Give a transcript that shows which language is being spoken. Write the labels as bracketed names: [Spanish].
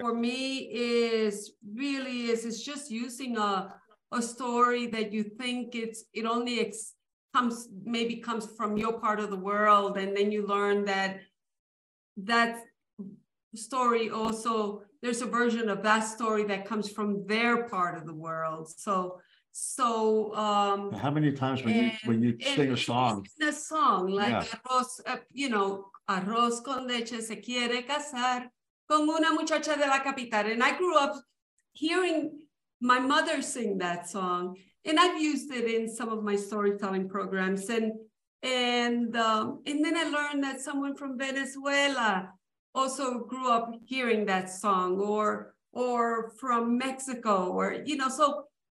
[English] For me, it's just using a story that you think it only comes from your part of the world. And then you learn that story also, there's a version of that story that comes from their part of the world. So, how many times when you sing a song, like, yeah. [Spanish] Arroz con leche se quiere casar con una muchacha de la capital. [English] And I grew up hearing my mother sing that song, and I've used it in some of my storytelling programs. And then I learned that someone from Venezuela also grew up hearing that song, or from Mexico, or, you know, So,